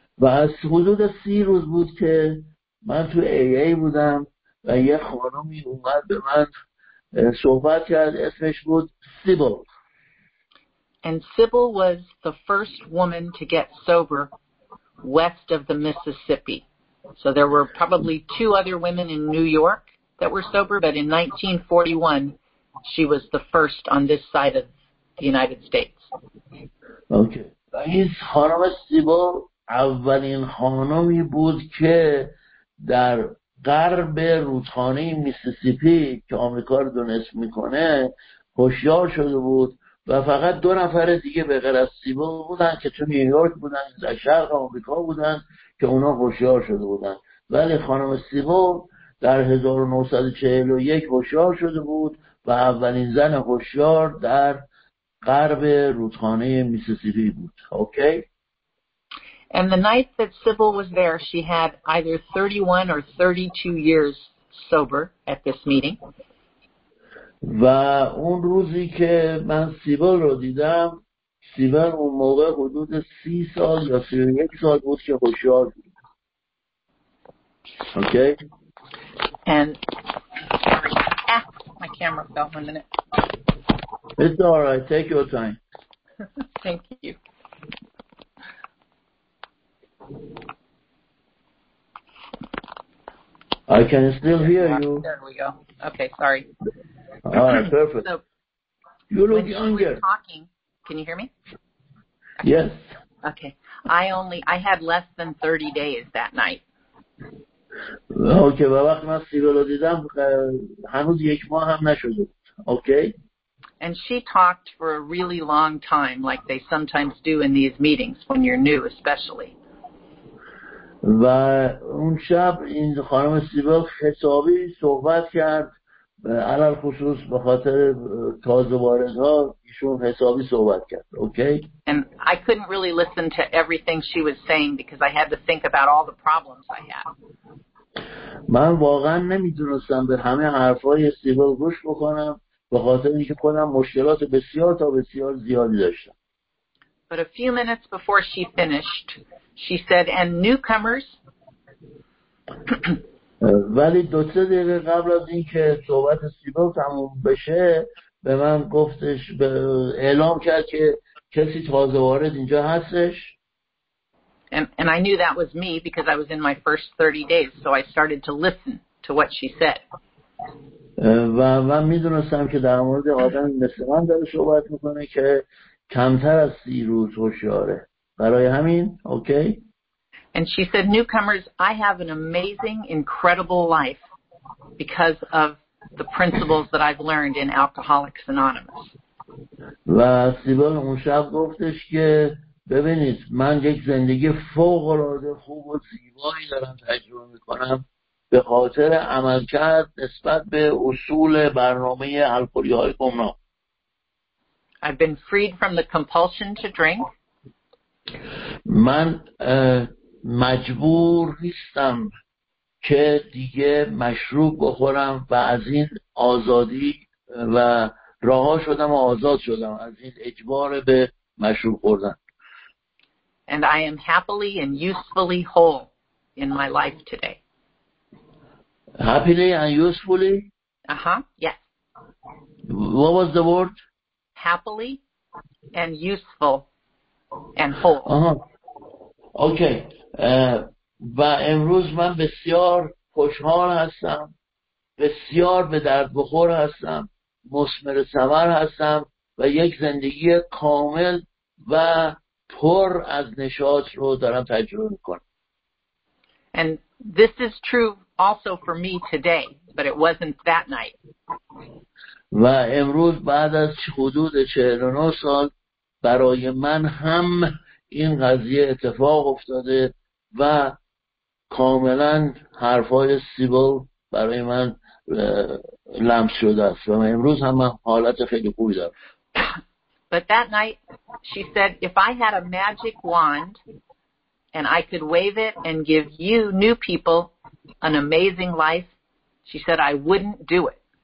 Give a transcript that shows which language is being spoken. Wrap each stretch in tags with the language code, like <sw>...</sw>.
<fa>و از حدود 30 روز بود که من تو AA بودم و یه خانمی اومد به من صحبت کرد، اسمش بود Sybil.</fa> <en>And Sybil was the first woman to get sober west of the Mississippi. So there were probably 2 other women in New York that were sober, but in 1941, she was the first on this side of the United States. Okay.</en> <fa>این خانم سیبل اولین خانمی بود که در غرب رودخانه میسیسیپی که آمریکا رو دونست میکنه هوشیار شده بود و فقط 2 نفر دیگه به غیر از سیبل بودن که تو نیویورک بودن، در شرق آمریکا بودن که اونا هوشیار شده بودن، ولی خانم سیبل در 1941 هوشیار شده بود و اولین زن هوشیار در غرب رودخانه میسیسیپی بود. اوکی؟</fa> <en>And the night that Sybil was there, she had either 31 or 32 years sober at this meeting.</en> <fa>و اون روزی که من سیبل رو دیدم، سیبل اون موقع حدود 30 سال یا 31 سال بود که هوشیار بود. اوکی؟</fa> <en>And my camera fell one minute. It's all right. Take your time. Thank you. I can still hear you. There we go. Okay, sorry. All right, perfect. So, you look younger. When she was talking, can you hear me? Okay. Yes. Okay. I had less than 30 days that night.</en> <fa>اوکی، و وقتی من سیبل رو دیدم هنوز یک ماه هم نشده بود. اوکی.</fa> <en>And she talked for a really long time like they sometimes do in these meetings when you're new especially.</en> <fa>و اون شب این خانم سیبل حسابی صحبت کرد، علل خصوص به خاطر تازه واردها ایشون حسابی صحبت کرد. اوکی.</fa> <en>And I couldn't really listen to everything she was saying because I had to think about all the problems I had.</en> <fa>من واقعا نمیدونستم به همه حرفای سیبل گوش بکنم به خاطر اینکه خودم مشکلات بسیار تا بسیار زیادی داشتم.</fa> <en>But a few minutes before she finished, she said, "And newcomers."</en> <fa>ولی دو سه دقیقه قبل از اینکه صحبت سیبل تموم بشه به من گفتش، اعلام کرد که کسی تازه وارد اینجا هستش.</fa> <en>And I knew that was me because I was in my first 30 days, so I started to listen to what she said.</en> <fa>من میدونستم که در مورد آدم مثل من داره صحبت میکنه که کمتر از 30 روز هوشیاره. برای همین، اوکی؟</fa> <en>And she said, newcomers, I have an amazing, incredible life because of the principles that I've learned in Alcoholics Anonymous.</en> <fa>و سیبل اون شب گفتش که ببینید من یک زندگی فوق العاده خوب و زیبایی دارم تجربه میکنم به خاطر عملکرد نسبت به اصول برنامه الکلی های گمنام.</fa> <en>I've been freed from the compulsion to drink.</en> <fa>من مجبور نیستم که دیگه مشروب بخورم و از این آزادی و رها شدم و آزاد شدم از این اجبار به مشروب خوردن.</fa> <en>And I am happily and usefully whole in my life today. Happily and usefully? Uh-huh, yes. What was the word? Happily and useful and whole. Uh-huh. Okay.</en> <fa>و امروز من بسیار خوشحال هستم، بسیار به درد بخور هستم، مثمر ثمر هستم و یک زندگی کامل و پر از نشاط رو دارم تجربه میکنم.</fa> <en>And this is true also for me today, but it wasn't that night.</en> <fa>و امروز بعد از حدود 49 سال برای من هم این قضیه اتفاق افتاده و کاملا حرفای سیبل برای من لمس شده است و امروز هم من حالت خیلی خوبی دارم.</fa> <en>But that night, she said, if I had a magic wand and I could wave it and give you new people an amazing life, she said, I wouldn't do it.</en>